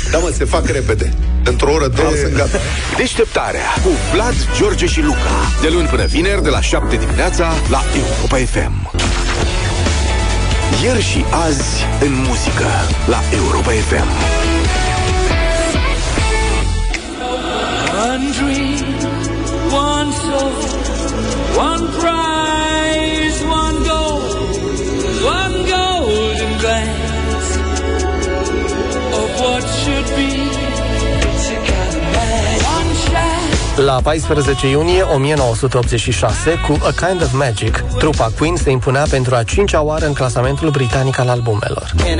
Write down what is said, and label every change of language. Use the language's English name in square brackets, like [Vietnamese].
[Romanian] Da, mă, se fac repede. Într-o oră, două, sunt gata. Deșteptarea cu Vlad, George și Luca. De luni până vineri, de la 7 dimineața, la Europa FM. Ieri și azi, în muzică, la Europa FM. [English] One dream, one soul, one prize, one goal, one golden glance of what should be. [Romanian] La 14 iunie 1986, cu A Kind of Magic, trupa Queen se impunea pentru a cincea oară în clasamentul britanic al albumelor.